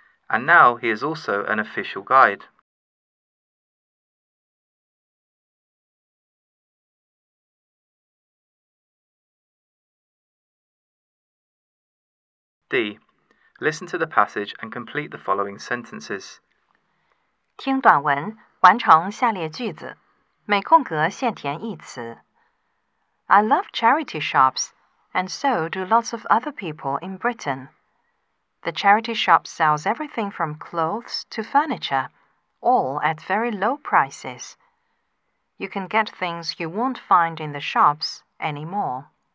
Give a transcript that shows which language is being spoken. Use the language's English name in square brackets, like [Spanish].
[English] And now he is also an official guide. 第 Listen to the passage and complete the following sentences. [Chinese] 听短文，完成下列句子，每空格限填一词。 [English] I love charity shops, and so do lots of other people in Britain. The charity shop sells everything from clothes to furniture, all at very low prices. You can get things you won't find in the shops anymore.